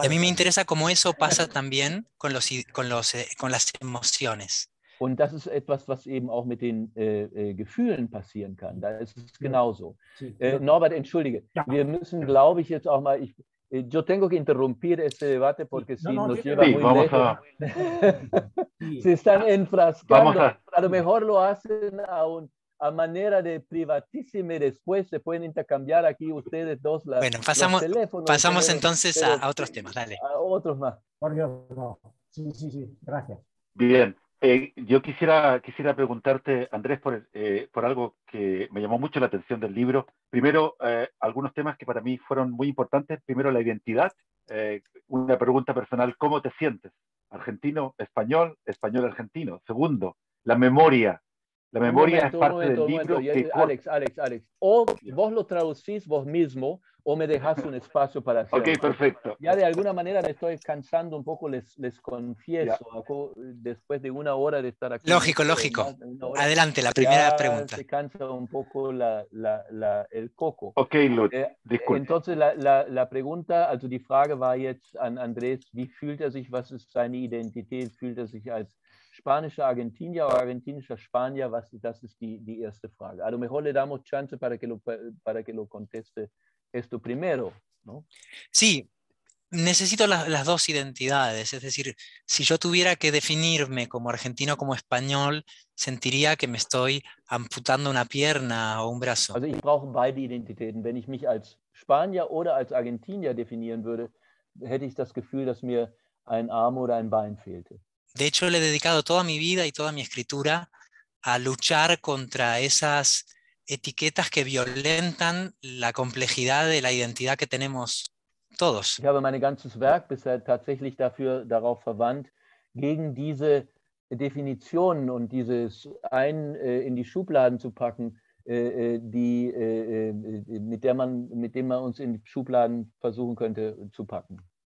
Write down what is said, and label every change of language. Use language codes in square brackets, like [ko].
[de] weiß. [es] A mí me interesa cómo eso pasa también con las emociones. [de] Und das ist etwas, was eben auch mit den Gefühlen passieren kann. Da ist es genauso. Norbert, entschuldige. Ja. Wir müssen, glaube ich, jetzt auch mal... [es] yo tengo que interrumpir este debate porque nos lleva muy lejos. A... se están enfrascando. A lo mejor lo hacen a manera de privatísimo y después se pueden intercambiar aquí ustedes dos las, bueno, pasamos, los teléfonos. Pasamos entonces a otros temas. Dale. A otros más. Por Dios, no. Sí, sí, sí. Gracias. Bien. Yo quisiera preguntarte, Andrés, por algo que me llamó mucho la atención del libro. Primero, algunos temas que para mí fueron muy importantes. Primero, la identidad. Una pregunta personal, ¿cómo te sientes? ¿Argentino, español, español-argentino? Segundo, la memoria. La memoria es parte del libro. Alex. O vos lo traducís vos mismo o me dejás un espacio para hacerlo. Ok, perfecto. Ya de alguna manera me estoy cansando un poco, les confieso, después de una hora de estar aquí. Lógico. Hora, adelante, la primera pregunta. Se cansa un poco el coco. Ok, Lut, disculpe. Entonces, la pregunta, [de] also die Frage war jetzt an Andrés, wie fühlt sich, was ist seine Identität, fühlt sich als spanischer Argentinier o argentinischer Spanier, was, das ist die erste Frage. [es] A lo mejor le damos chance para que lo conteste esto primero, ¿no? Sí, necesito las dos identidades, es decir, si yo tuviera que definirme como argentino o como español, sentiría que me estoy amputando una pierna o un brazo. [de] Also ich brauche beide Identitäten, wenn ich mich als Spanier oder als Argentinier definieren würde, hätte ich das Gefühl, dass mir ein Arm oder ein Bein fehlte. [es] De hecho, le he dedicado toda mi vida y toda mi escritura a luchar contra esas etiquetas que violentan la complejidad de la identidad que tenemos todos. [de] Ich habe mein ganzes Werk bisher tatsächlich dafür darauf verwandt, gegen diese Definitionen und dieses ein in die Schubladen zu packen, die mit dem man uns in Schubladen versuchen könnte zu packen.